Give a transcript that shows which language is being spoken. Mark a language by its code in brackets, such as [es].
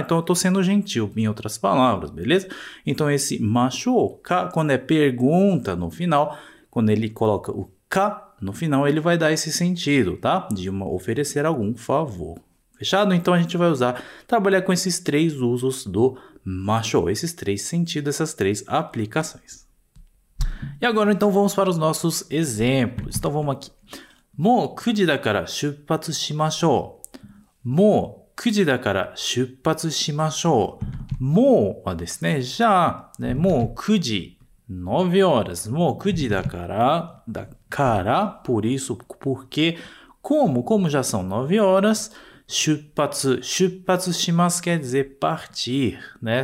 [pt] Então, eu estou sendo gentil, em outras palavras, beleza? Então, esse machu ka, quando é pergunta no final, quando ele coloca o ka no final, ele vai dar esse sentido, tá? De uma oferecer algum favor. Fechado? Então, a gente vai usar, trabalhar com esses três usos do machu, esses três sentidos, essas três aplicações. E agora, então, vamos para os nossos exemplos. Então, vamos aqui. [ja] もう 9時 だから出発しましょう.もう 9時 だから出発しましょう. もうはですね、じゃあ、もう 9時、 [pt] 9 horas. [ja] もう 9時 だから、 [pt] por isso, porque, como já são 9 horas, [ja] 出発します [pt] quer dizer partir, né?